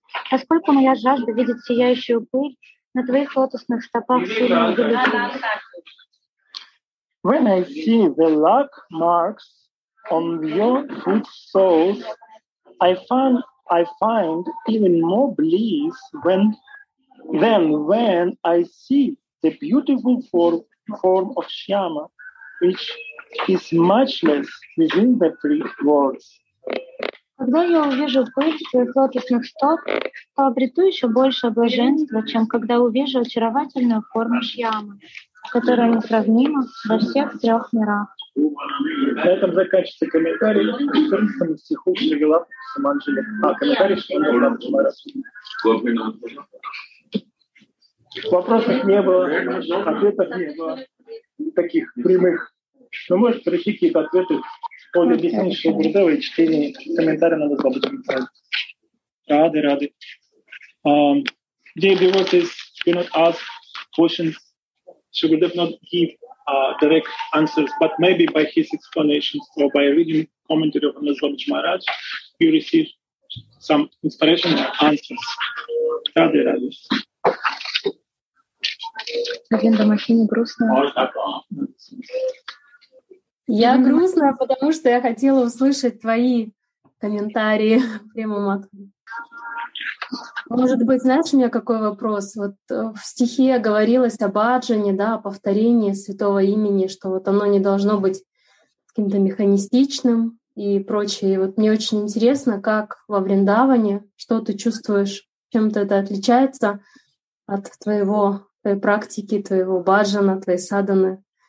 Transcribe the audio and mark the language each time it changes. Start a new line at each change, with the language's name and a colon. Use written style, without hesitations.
Russian: Поскольку моя жажда видеть сияющую пыль на твоих лотосных стопах сильно увеличилась.
English: When I see the luck marks on your foot soles, I find even more bliss than when I see the beautiful form of Shyama, which is much less within the three worlds.
Russian: Когда я увижу пыль твоих лотосных стоп, то обрету еще больше блаженства, чем когда увижу очаровательную форму Шьямы, которая несравнима во всех трех мирах. На этом заканчивается комментарий к 14-му стиху Шри Лапы Саманджали. А, комментарий Шри Лапы Саманджали. Вопросов не было, ответов не было, таких прямых. Но можете прийти какие-то ответы по объяснению Шри Гурудева и чтение комментариев на выходе.
English: Рады. Дей Бивотис, do not ask questions. Shri Gurudev not give direct answers, but maybe by his explanations or by reading commentary of Anas Babaji Maharaj, you receive some inspiration or answers. Rade, rade.
Russian: Один домашний грустный. Я грустная, потому что я хотела услышать твои комментарии прямо от. Может быть, знаешь, у меня какой вопрос? Вот в стихе говорилось о баджане, да, о повторении святого имени, что вот оно не должно быть каким-то механистичным и прочее. И вот мне очень интересно, как во Вриндаване, что ты чувствуешь, чем-то это отличается от твоего, твоей практики, твоего баджана, твоей саданы.